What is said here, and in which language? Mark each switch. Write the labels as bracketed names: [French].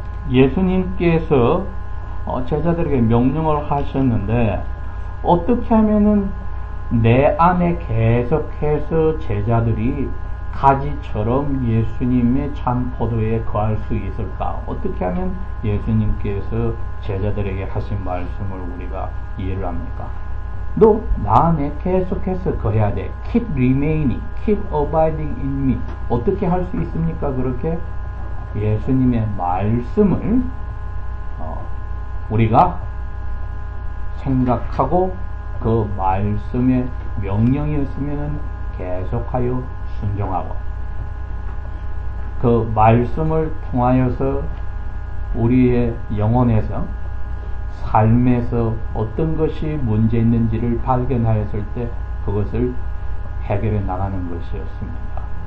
[Korean] 예수님께서 제자들에게 명령을 하셨는데 어떻게 하면은 내 안에 계속해서 제자들이 가지처럼 예수님의 참 포도에 거할 수 있을까? 어떻게 하면 예수님께서 제자들에게 하신 말씀을 우리가 이해를 합니까? 너 나 안에 계속해서 거해야 돼. [English] Keep remaining, keep abiding in me. [Korean] 어떻게 할 수 있습니까? 그렇게 예수님의 말씀을 우리가 생각하고 그 말씀의 명령이었으면 계속하여 순종하고 그 말씀을 통하여서 우리의 영혼에서 삶에서 어떤 것이 문제 있는지를 발견하였을 때 그것을 해결해 나가는 것이었습니다.